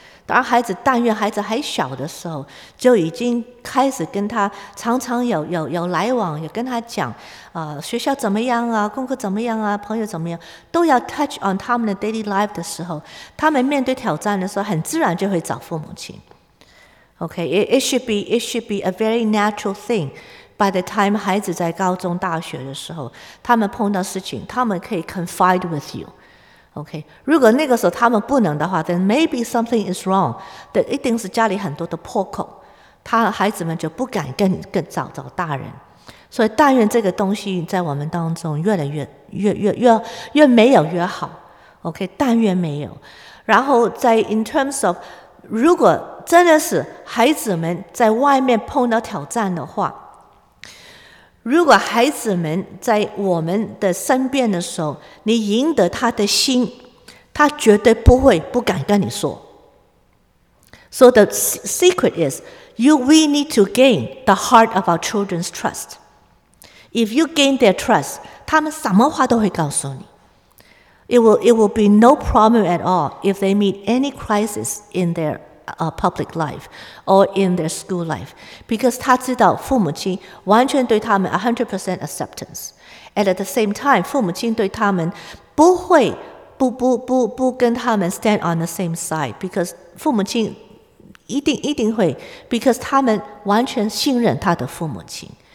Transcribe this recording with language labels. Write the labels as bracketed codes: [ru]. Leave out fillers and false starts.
[zh] 当孩子，但愿孩子还小的时候，就已经开始跟他常常有来往，也跟他讲学校怎么样啊，功课怎么样啊，朋友怎么样，都要 [en] touch on [zh] 他们的 [en] daily life [zh] 的时候，他们面对挑战的时候，很自然就会找父母亲。 [en] Okay, it should be a very natural thing. By the time [zh] 孩子在高中大学的时候，他们碰到事情，他们可以 [en] confide with you. Okay, [zh] 如果那个时候他们不能的话， [en] then maybe something is wrong. [zh] 但一定是家里很多的破口，他孩子们就不敢跟找大人。所以但愿这个东西在我们当中越来越没有越好。 Okay, 但愿没有。然后在 [en] in terms of, [zh] 如果真的是孩子们在外面碰到挑战的话，如果孩子们在我们的身边的时候，你赢得他的心，他绝对不会不敢跟你说。 [en] So the secret is, we need to gain the heart of our children's trust. If you gain their trust, [zh] 他们什么话都会告诉你。 [en] It will be no problem at all if they meet any crisis in their public life or in their school life, because [zh] 他知道父母亲完全对他们 [en] 100% acceptance, and at the same time, [zh] 父母亲对他们不会不跟他们 [en] stand on the same side, because [zh] 父母亲一定会 [en] because [zh] 他们完全信任他的父母亲。